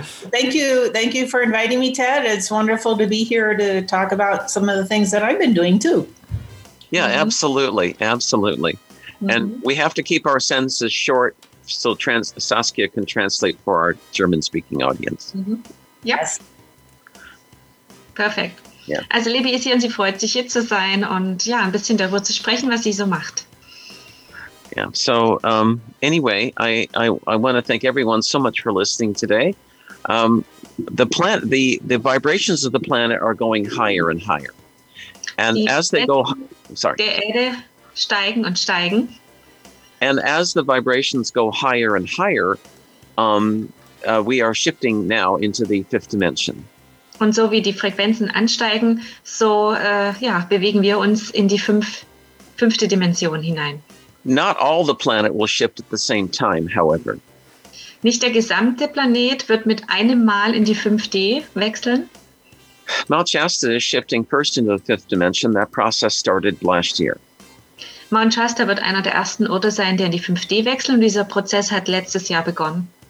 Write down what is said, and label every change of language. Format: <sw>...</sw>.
<en>Thank you for inviting me, Ted. It's wonderful to be here to talk about some of the things that I've been doing, too. Yeah, absolutely. Mm-hmm. And we have to keep our sentences short so Saskia can translate for our German-speaking audience. Mm-hmm. Yep. Yes. Perfekt. Yeah.</en> <de>Also Libby ist hier und sie freut sich, hier zu sein und ja, ein bisschen darüber zu sprechen, was sie so macht.</de> <en>Yeah, so anyway, I want to thank everyone so much for listening today. The vibrations of the planet are going higher and higher. And</en> <de>Der Erde steigen und steigen.</de> <en>And as the vibrations go higher and higher, we are shifting now into the fifth dimension.</en> <de>Und so wie die Frequenzen ansteigen, so bewegen wir uns in die fünfte Dimension hinein.</de> <en>Not all the planet will shift at the same time, however.</en> <de>Nicht der gesamte Planet wird mit einem Mal in die 5D wechseln.</de> <en>Mount Shasta is shifting first into the fifth dimension. That process started last year.</en> <de>Mount Shasta wird einer der ersten Orte sein, der in die 5D wechselt. Und dieser Prozess hat letztes Jahr begonnen.</de>